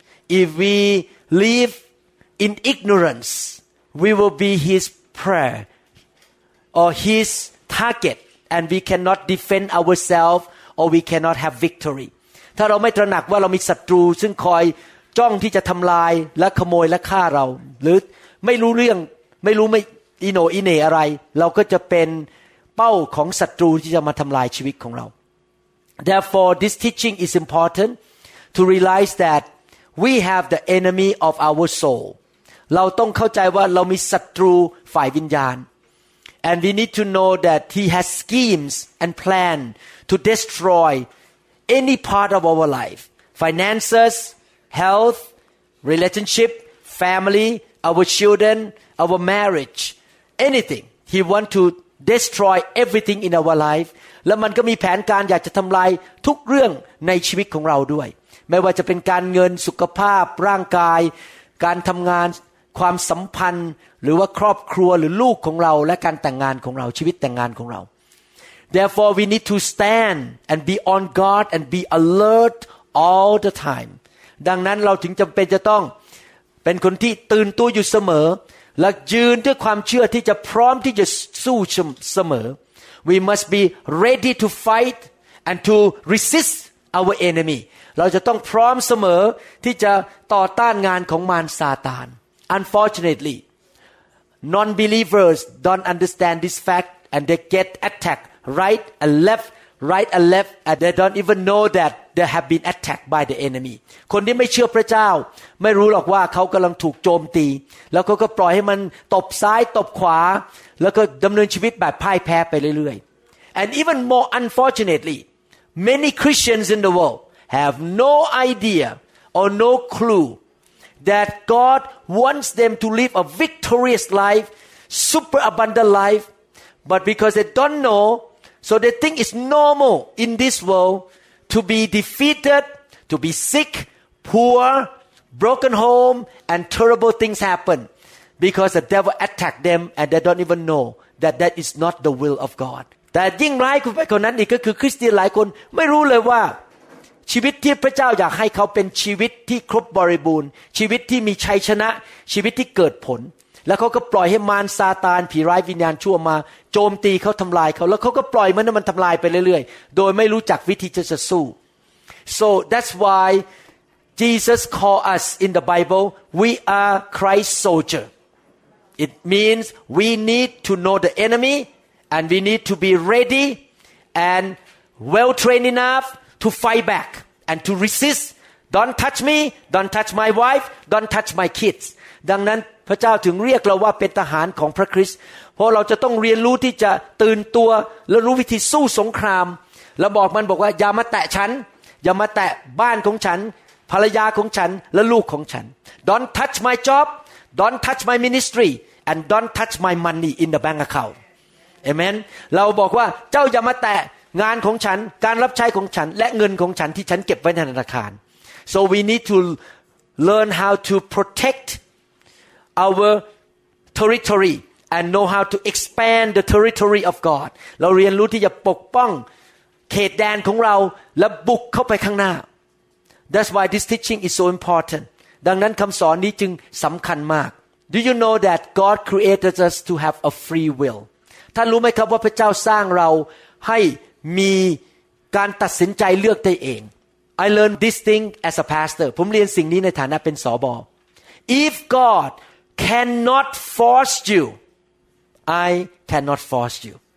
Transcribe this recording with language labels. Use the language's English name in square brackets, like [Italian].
[English] If we live in ignorance, we will be his prey or his target, and we cannot defend ourselves or we cannot have victory. [Thai] ถ้าเราไม่ตระหนักว่าเรามีศัตรูซึ่งคอยจ้องที่จะทำลายและขโมยและฆ่าเราหรือไม่รู้เรื่องไม่รู้ไม่อีโนอีเนอะไรเราก็จะเป็นเป้าของศัตรูที่จะมาทำลายชีวิตของเรา [English] Therefore, this teaching is important to realize that we have the enemy of our soul. [Thai] เราต้องเข้าใจว่าเรามีศัตรูฝ่ายวิญญาณ [English] And we need to know that he has schemes and plan to destroy any part of our life. Finances, health, relationship, family, our children, our marriage, anything. He wants todestroy everything in our life [Thai] แล้วมันก็มีแผนการอยากจะทำลายทุกเรื่องในชีวิตของเราด้วยไม่ว่าจะเป็นการเงินสุขภาพร่างกายการทำงานความสัมพันธ์หรือว่าครอบครัวหรือลูกของเราและการแต่งงานของเราชีวิตแต่งงานของเรา [English] Therefore we need to stand and be on guard and be alert all the time [Thai] ดังนั้นเราถึงจำเป็นจะต้องเป็นคนที่ตื่นตัวอยู่เสมอและยืนด้วยความเชื่อที่จะพร้อมที่จะสู้เสมอ [English] We must be ready to fight and to resist our enemy [Thai] เราจะต้องพร้อมเสมอที่จะต่อต้านงานของมารซาตาน [English] Unfortunately non-believers don't understand this fact and they get attacked right and left and they don't even know that they have been attacked by the enemy [Thai] คนที่ไม่เชื่อพระเจ้าไม่รู้หรอกว่าเขากำลังถูกโจมตีแล้วก็ปล่อยให้มันตบซ้ายตบขวาแล้วก็ดำเนินชีวิตแบบพ่ายแพ้ไปเรื่อย [English] ๆ And even more unfortunately many Christians in the world have no idea or no clue that God wants them to live a victorious life super abundant life but because they don't know so they think it's normal in this worldTo be defeated, to be sick, poor, broken home, and terrible things happen because the devil attacked them and they don't even know that that is not the will of God. [Thai] แต่ยิ่งร้ายกว่านั้นอีกก็คือคริสเตียนหลายคนไม่รู้เลยว่าชีวิตที่พระเจ้าอยากให้เขาเป็นชีวิตที่ครบบริบูรณ์ชีวิตที่มีชัยชนะชีวิตที่เกิดผลแล้วเขาก็ปล่อยให้มารซาตานผีร้ายวิญญาณชั่วมาโจมตีเขาทำลายเขาแล้วเขาก็ปล่อยมันให้มันทำลายไปเรื่อยๆโดยไม่รู้จักวิธีจะสู้ [English] So that's why Jesus called us in the Bible we are Christ's soldier it means we need to know the enemy and we need to be ready and well trained enough to fight back and to resist don't touch me don't touch my wife don't touch my kids [Thai] ดังนั้นพระเจ้าถึงเรียกเราว่าเป็นทหารของพระคริสต์เพราะเราจะต้องเรียนรู้ที่จะตื่นตัวและรู้วิธีสู้สงครามแล้วบอกมันบอกว่าอย่ามาแตะฉันอย่ามาแตะบ้านของฉันภรรยาของฉันและลูกของฉัน [English] Don't touch my job Don't touch my ministry and don't touch my money in the bank account [Thai] Amen เราบอกว่าเจ้าอย่ามาแตะงานของฉันการรับใช้ของฉันและเงินของฉันที่ฉันเก็บไว้ในธนาคาร [English] So we need to learn how to protect our territoryand know how to expand the territory of God [Thai] เราเรียนรู้ที่จะปกป้องเขตแดนของเราและบุกเข้าไปข้างหน้า [English] That's why this teaching is so important [Thai] ดังนั้นคำสอนนี้จึงสำคัญมาก [English] Do you know that God created us to have a free will [Thai] ท่านรู้ไหมครับว่าพระเจ้าสร้างเราให้มีการตัดสินใจเลือกได้เอง [English] I learned this thing as a pastor [Thai] ผมเรียนสิ่งนี้ในฐานะเป็นสบ [English] If God cannot force you, I cannot force you.